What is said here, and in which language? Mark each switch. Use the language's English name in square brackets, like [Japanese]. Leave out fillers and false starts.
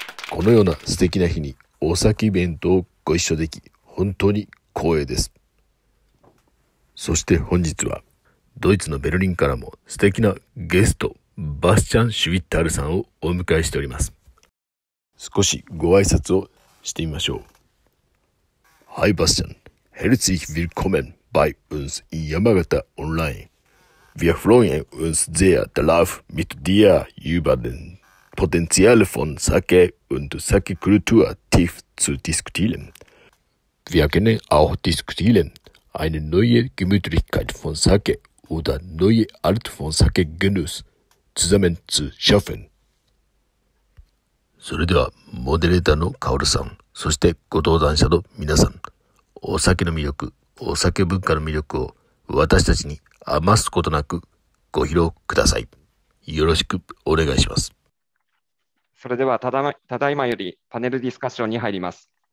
[Japanese] このような素敵な日にお酒イベントをご一緒でき本当に光栄です。そして本日はドイツのベルリンからも素敵なゲスト、バスチャン・シュウィッタールさんをお迎えしております。少しご挨拶をしてみましょう。 [German] Hi Bastian, herzlich willkommen bei uns in Yamagata Online. Wir freuen uns sehr darauf, mit dir über den Potenzial von Sake und Sake-Kultur tief zu diskutieren. Wir können auch diskutieren, eine neue Gemütlichkeit von Sake oder neue Art von Sake-Genuss zusammen zu schaffen. [Japanese] それではモデレーターのカオルさん、そしてご登壇者の皆さん、お酒の魅力、お酒文化の魅力を私たちに余すことなくご披露ください。よろしくお願いします。それではただいまよりパネルディスカッションに入ります。